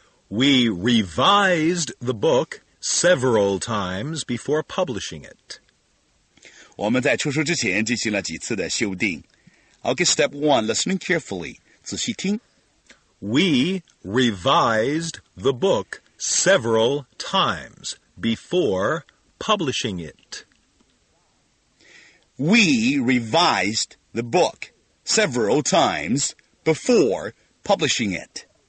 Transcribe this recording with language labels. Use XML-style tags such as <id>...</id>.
<en>We revised the book several times before publishing it.</en> <zh>我们在出书之前进行了几次的修订。</zh> <en>Okay, step one, listening carefully.</en> <zh>仔细听。</zh> <en>We revised the book several times before publishing it. We revised the book several times before publishing it.</en>